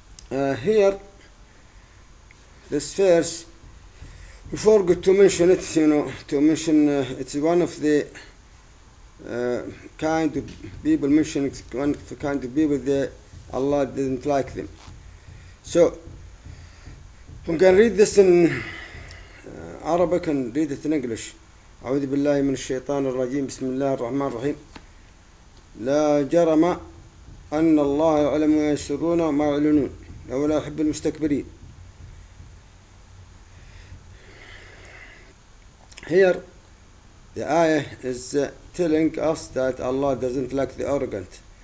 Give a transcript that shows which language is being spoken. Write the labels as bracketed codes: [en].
[en] Here, this verse, we forgot to mention it, you know, it's one of the kind of people mentioning, one of the kind of people that Allah didn't like them. So, we can read this in Arabic and read it in English. [ar] أعوذ بالله من الشيطان الرجيم بسم الله الرحمن الرحيم لا جرم أن الله يعلم ما يسرون وما يعلنون ولا يحب المستكبرين. [en] Here the ayah is telling us that Allah doesn't like the arrogant.